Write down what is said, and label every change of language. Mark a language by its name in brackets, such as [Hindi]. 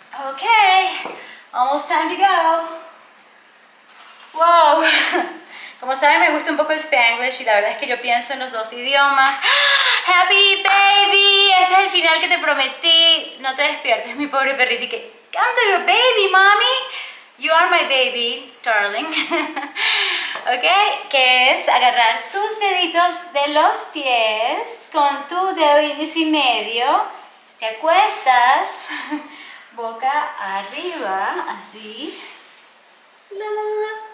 [English] Okay, almost time to go. [Spanish] Wow, como saben, me gusta un poco el Spanglish y la verdad es que yo pienso en los dos idiomas. Happy baby, este es el final que te prometí. No te despiertes, mi pobre perrito. Que [English] come to your baby, mommy. You are my baby, darling. [Spanish] Ok, que es agarrar tus deditos de los pies con tu dedo índice y medio. Te acuestas boca arriba, así. La, la, la.